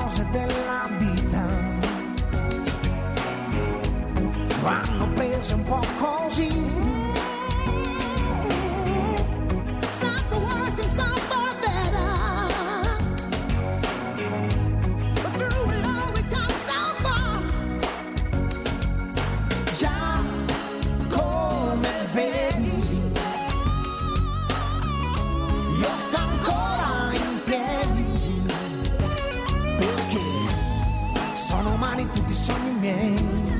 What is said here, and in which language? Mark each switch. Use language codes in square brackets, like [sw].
[it] Della vita vanno prese un po' così. [en] Some for worse and some for better, but through it all we come so far. [it] Già come vedi io sto ancora in piedi, perché sono umani tutti i sogni miei.